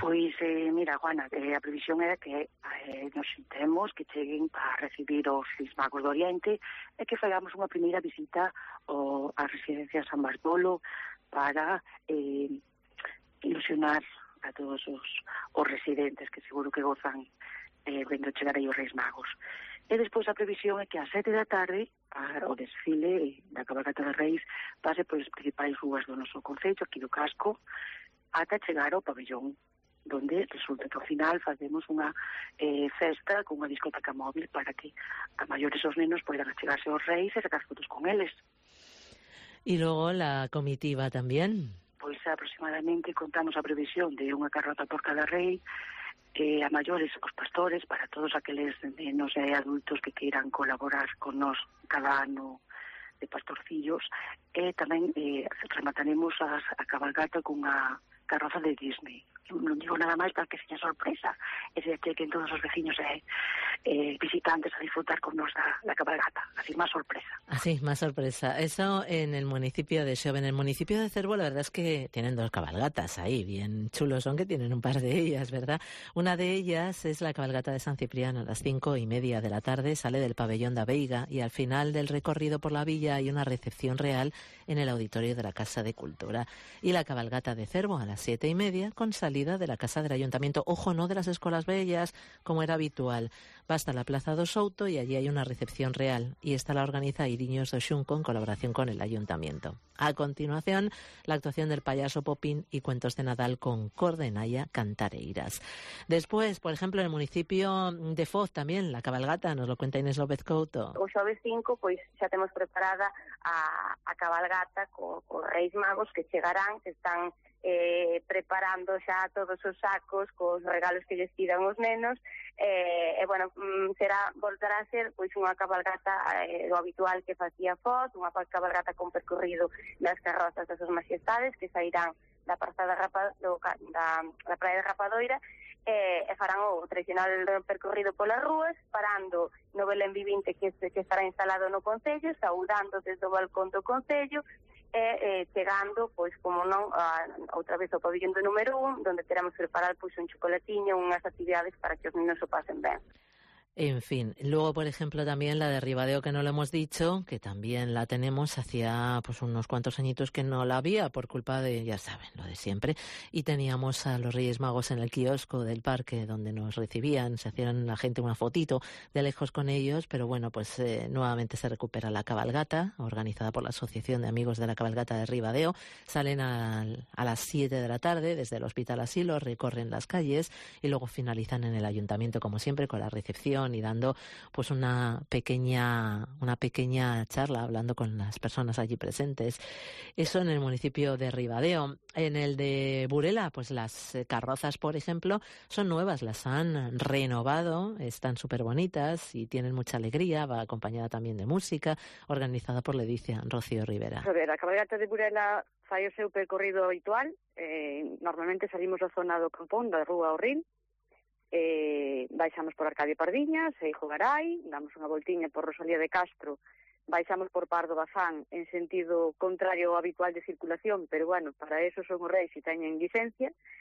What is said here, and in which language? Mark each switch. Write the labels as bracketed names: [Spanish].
[Spanish] Pues mira, Juana, que la previsión era que nos sentemos, que lleguen a recibir los Reis Magos de Oriente y que hagamos una primera visita a residencia San Bartolo para ilusionar a todos los residentes que seguro que gozan [Galician] vendo chegar aí os Reis Magos. E despois a previsión é que a 7 da tarde o desfile da cabalgata dos Reis pase polas principais rúas do noso concello, aquí do casco, ata chegar ao pabellón, donde resulta que ao final facemos unha festa con unha discoteca móvil para que a maiores os nenos poidan achegarse aos Reis e sacar fotos con eles. E logo la comitiva tamén? Pois aproximadamente contamos a previsión de unha carrota por cada rei, que a maiores, os pastores, para todos aqueles nenos e adultos que queiran colaborar con nos cada ano de pastorcillos, e tamén remataremos a cabalgata cunha carroza de Disney. Non digo nada máis para que seña sorpresa, e se chequen todos os veciños e visitantes a disfrutar con nos da cabalgata. Así, máis sorpresa. Así, máis sorpresa. [Spanish] Eso en el municipio de Xove. En el municipio de Cervo, la verdad es que tienen dos cabalgatas ahí, bien chulos son, que tienen un par de ellas, ¿verdad? Una de ellas es la cabalgata de San Cipriano. A las 5:30 de la tarde sale del pabellón da Veiga y al final del recorrido por la villa hay una recepción real en el auditorio de la Casa de Cultura. Y la cabalgata de Cervo a las 7:30 con salida de la Casa del Ayuntamiento. Ojo, no de las Escolas Bellas, como era habitual. Va hasta la Plaza do Souto y allí hay una recepción real. Y esta la organiza Iriños do Xunco en colaboración con el Ayuntamiento. A continuación, la actuación del payaso Popín y cuentos de Nadal con Cordenaya Cantareiras. Después, por ejemplo, en el municipio de Foz también, la cabalgata, nos lo cuenta Inés López Couto. [Galician] O xoves 5, pues ya tenemos preparada a cabalgata con Reis Magos que llegarán, que están preparando xa todos os sacos cos regalos que lles pidan os nenos bueno, voltará a ser pois unha cabalgata do habitual que facía Foz, unha cabalgata con percorrido nas carrozas das majestades que sairán da praza da praia de Rapadoira e farán o tradicional percorrido polas rúas, parando no Belén Vivinte que estará instalado no concello, saudando desde o balcón do concello e chegando, pois, como non, outra vez ao pabellón do número 1, onde teremos preparado pois, un chocolatinho, unhas actividades para que os niños o pasen ben. [Spanish] En fin, luego, por ejemplo, también la de Ribadeo, que no lo hemos dicho, que también la tenemos, hacía pues unos cuantos añitos que no la había, por culpa de, ya saben, lo de siempre, y teníamos a los Reyes Magos en el kiosco del parque donde nos recibían, se hacían la gente una fotito de lejos con ellos, pero bueno, pues nuevamente se recupera la cabalgata, organizada por la Asociación de Amigos de la Cabalgata de Ribadeo, salen a las 7 de la tarde desde el Hospital Asilo, recorren las calles y luego finalizan en el Ayuntamiento, como siempre, con la recepción y dando pues una pequeña charla, hablando con las personas allí presentes. Eso en el municipio de Ribadeo. En el de Burela, pues las carrozas, por ejemplo, son nuevas, las han renovado, están súper bonitas y tienen mucha alegría, va acompañada también de música, organizada por Ledicia Rocío Rivera. [Galician] A ver, a cabalgata de Burela fai o seu percorrido habitual, normalmente salimos da zona do Campón, da Rúa Orrín, baixamos por Arcadio Pardiñas e Jogarai, damos unha voltiña por Rosalía de Castro, baixamos por Pardo Bazán en sentido contrario ao habitual de circulación, pero bueno, para eso son os reis e teñen licencia,